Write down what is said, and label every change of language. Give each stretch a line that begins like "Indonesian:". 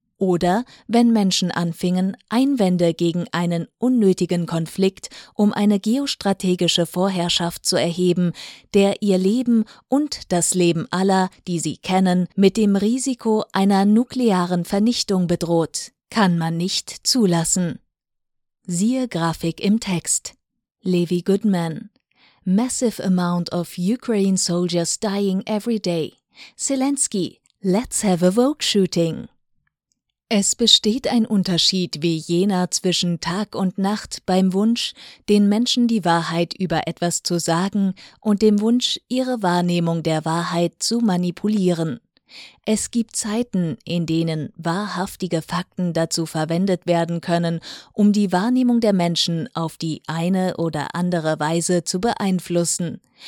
German: Oder wenn Menschen anfingen, Einwände gegen einen unnötigen Konflikt um eine geostrategische Vorherrschaft zu erheben, der ihr Leben und das Leben aller, die sie kennen, mit dem Risiko einer nuklearen Vernichtung bedroht. Kann man nicht zulassen. Siehe Grafik im Text. Levi Goodman.
English: Massive amount of Ukraine soldiers dying every day. Zelensky, let's have a Vogue shooting.
German: Es besteht ein Unterschied wie jener zwischen Tag und Nacht beim Wunsch, den Menschen die Wahrheit über etwas zu sagen und dem Wunsch, ihre Wahrnehmung der Wahrheit zu manipulieren. Es gibt Zeiten, in denen wahrhaftige Fakten dazu verwendet werden können, um die Wahrnehmung der Menschen auf die eine oder andere Weise zu beeinflussen.